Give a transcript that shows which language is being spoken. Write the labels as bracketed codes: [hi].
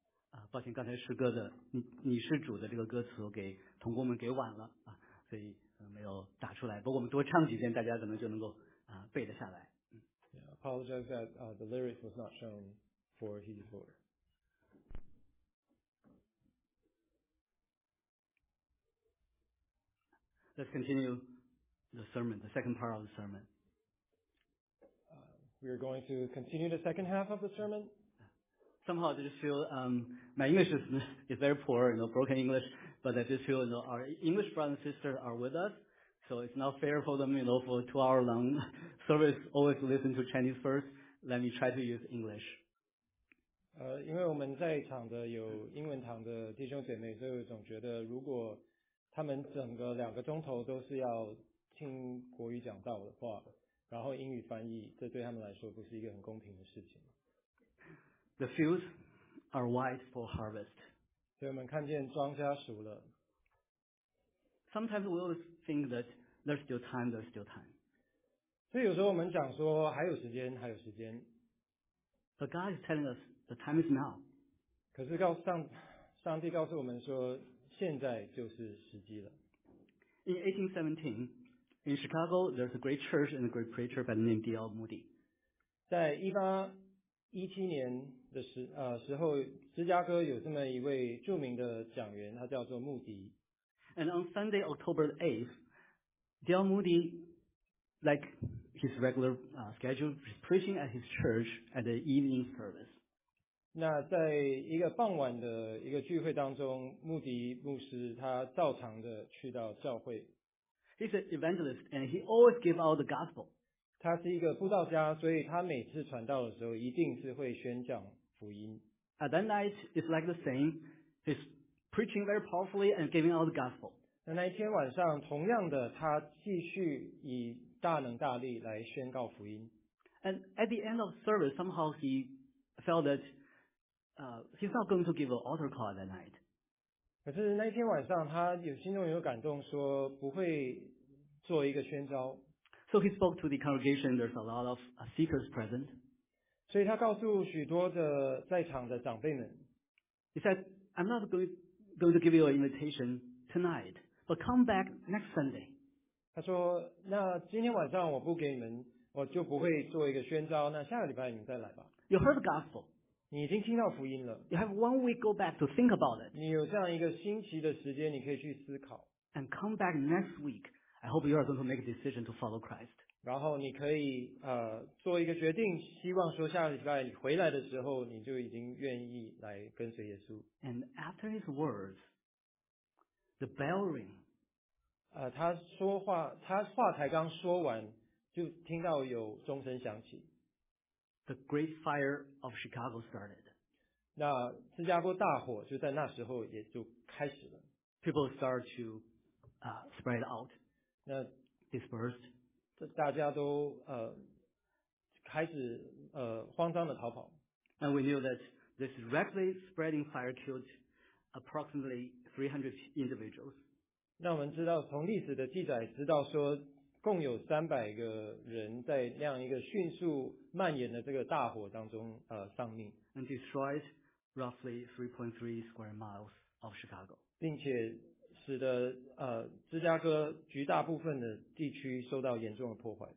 [zh] 啊，抱歉，刚才诗歌的你是主的这个歌词我给同工们给晚了啊，所以。没有打出来，不过我们多唱几遍，大家可能就能够啊、背得下来。 [en] Yeah, apologize that、the lyrics was not shown for his word. Let's continue the sermon, the second part of the sermon.、 we are going to continue the second half of the sermon. Somehow I just feel、my English is very poor, you know, broken English, but I just feel you know, our English brothers and sisters are with us. So it's not fair for them, you know, for a two-hour long service, always listen to Chinese first. Let me try to use English. [zh] 因为我们在场的有英文堂的弟兄姐妹，所以我总觉得如果他们整个两个钟头都是要听国语讲道的话，然后英语翻译，这对他们来说不是一个很公平的事情。 [en] The fields are white for harvest. [zh] 所以我们看见庄稼熟了。 [en] Sometimes we always think that there's still time, there's still time. [zh] 所以有时候我们讲说还有时间，还有时间。 [en] But God is telling us the time is now. [zh] 可是上帝告诉我们说现在就是时机了。 [en] In 1817, in Chicago, there's a great church and a great preacher by the name D.L. Moody. [zh] 在1817年的时候，芝加哥有这么一位著名的讲员，他叫做穆迪。 [en] And on Sunday, October 8th, Dale Moody, like his regular schedule, was preaching at his church at the evening service. [zh] 那在一个傍晚的一个聚会当中，穆迪牧师他照常的去到教会。 [en] He's an evangelist, and he always gives out the gospel. [zh] 他是一个布道家，所以他每次传道的时候，一定是会宣讲福音。 [en] At that night, it's like the same. His preaching very powerfully and giving out the gospel. [zh] 那一天晚上，同样的，他继续以大能大力来宣告福音。 [en] And at the end of service, somehow he felt that he's not going to give an altar call that night. [zh] 可是那一天晚上，他有心中有感动，说不会做一个宣召。 [en] So he spoke to the congregation. There's a lot of seekers present. [zh] 所以他告诉许多的在场的长辈们。 [en] He said, "I'm not going to give you an invitation tonight, but come back next Sunday." [zh] 他说，那今天晚上我不给你们我就不会做一个宣召，那下个礼拜你再来吧。 [en] You heard the gospel. [zh] 你已经听到福音了。 [en] You have 1 week go back to think about it. [zh] 你有这样一个星期的时间，你可以去思考。 [en] And come back next week. I hope you are going to make a decision to follow Christ. [zh] 然后你可以做一个决定，希望说下个礼拜回来的时候，你就已经愿意来跟随耶稣。 [en] And after his words, the bell ring. [zh] 他说话，他话才刚说完。就听到有钟声响起。 [en] The Great Fire of Chicago started. [zh] 那芝加哥大火就在那时候也就开始了。 [en] People start to spread out. 那 dispersed. [zh] 大家都开始慌张的逃跑。 [en] And we knew that this rapidly spreading fire killed approximately 300 individuals. [zh] 那我们知道从历史的记载知道说共有300个人在那样一个迅速蔓延的这个大火当中丧命。 [en] And destroyed roughly 3.3 square miles of Chicago. [zh] 并且使得芝加哥绝大部分的地区受到严重的破坏。